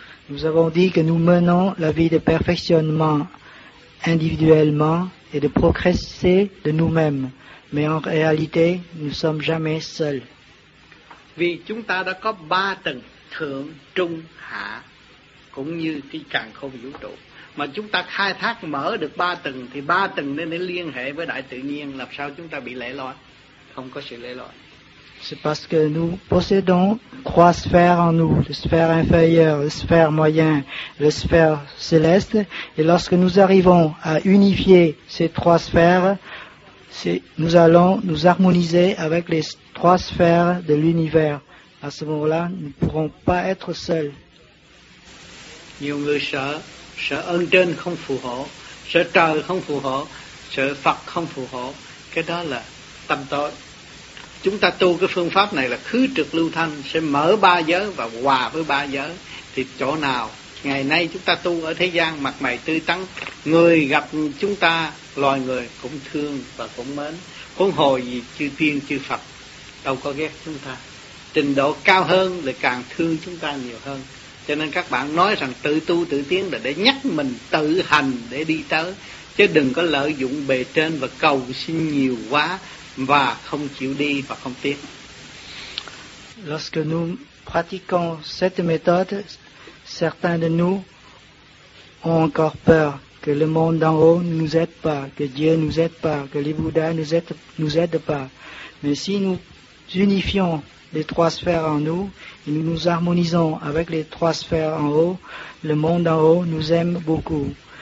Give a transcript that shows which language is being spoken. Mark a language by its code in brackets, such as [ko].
[fr] Nous avons dit que nous menons la vie de perfectionnement individuellement et de progresser de nous-mêmes. Mais en réalité, nous ne sommes jamais seuls. [vi] Vì chúng ta đã có ba tầng thượng, trung, hạ, cũng như cái càn khôn vũ trụ. Mà chúng ta khai thác mở được ba tầng, thì ba tầng nên để liên hệ với đại tự nhiên, làm sao chúng ta bị lẻ loi, không có sự lẻ loi. [fr] C'est parce que nous possédons trois sphères en nous, la sphère inférieure, la sphère moyenne, la sphère céleste. Et lorsque nous arrivons à unifier ces trois sphères, nous allons nous harmoniser avec les trois sphères de l'univers. À ce moment-là, nous ne pourrons pas être seuls. [vi] Nhiều người sợ, sợ ơn trên không phù hộ, sợ trời không phù hộ, sợ Phật không phù hộ. Cái đó là tâm tối. Chúng ta tu cái phương pháp này là khứ trực lưu thanh, sẽ mở ba giới và hòa với ba giới. Thì chỗ nào, ngày nay chúng ta tu ở thế gian mặt mày tươi tắn, người gặp chúng ta, loài người cũng thương và cũng mến. Huống hồ gì chư tiên chư Phật đâu có ghét chúng ta. Trình độ cao hơn lại càng thương chúng ta nhiều hơn. Cho nên các bạn nói rằng tự tu tự tiến là để nhắc mình tự hành để đi tới. Chứ đừng có lợi dụng bề trên và cầu xin nhiều quá và không chịu đi và không tiến. [fr] Lorsque nous pratiquons cette méthode, certains de nous ont encore peur que le monde d'en haut ne nous aide pas, que Dieu ne nous aide pas, que les Bouddhas ne nous aident pas. Mais si nous unifions les trois sphères en nous et nous nous harmonisons avec les trois sphères en haut, le monde d'en haut nous aime beaucoup.